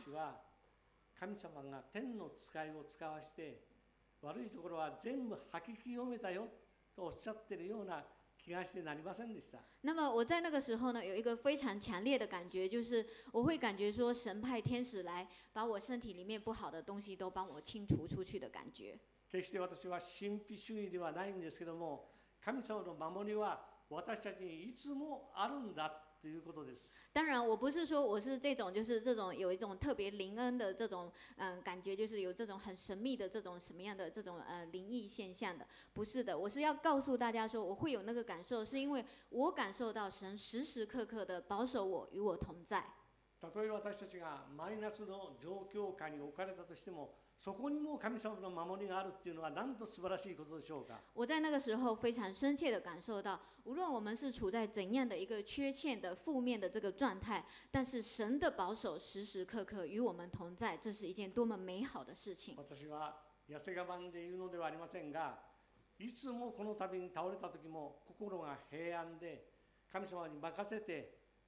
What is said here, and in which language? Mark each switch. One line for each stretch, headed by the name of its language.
Japanese: 私は神様が天の使いを使わして悪いところは全部吐き清めたよとおっしゃってるような気がしてなりませんでした。
Chinese: 那么我在那个时候呢，有一个非常强烈的感觉，就是我会感觉说神派天使来把我身体里面不好的东西都帮我清除出去的感觉。
Japanese: 決して私は神秘主義ではないんですけども。神様の守りは私たちにいつもあるんだということです。
Chinese: 当然，我不是说我是这种，就是这种有一种特别灵恩的这种感觉，就是有这种很神秘的这种什么样的这种灵异现象的，不是的。我是要告诉大家说，我会有那个感受，是因为我感受到神时时刻刻的保守我与我同在。
Japanese: たとえ私たちがマイナスの状況下に置かれたとしても。そこにも神様の守りがあるっていうのは何と素晴らしいことでしょうか。
Chinese: 我在那个时候非常深切的感受到，无论我们是处在怎样的一个缺陷的负面的这个状态，但是神的保守时时刻刻与我们同在，这是一件多么美好的事情。
Japanese: 私は痩せ我慢で言うのではありませんが、いつもこの度に倒れた時も心が平安で神様に任せて。